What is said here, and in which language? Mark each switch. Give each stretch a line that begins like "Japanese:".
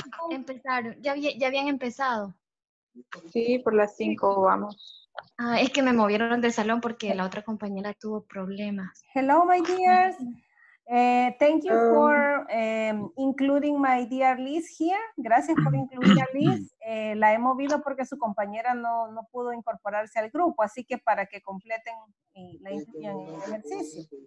Spanish: Empezaron, ya habían empezado. Sí, por las 5 vamos. Ah, es que me movieron del salón porque la otra compañera tuvo problemas.
English: Hello, my dears. Thank you for including my dear Liz here.
Spanish: Gracias por incluir a Liz. La he movido porque su compañera no pudo incorporarse al grupo, así que para que completen y la incluyan en el ejercicio.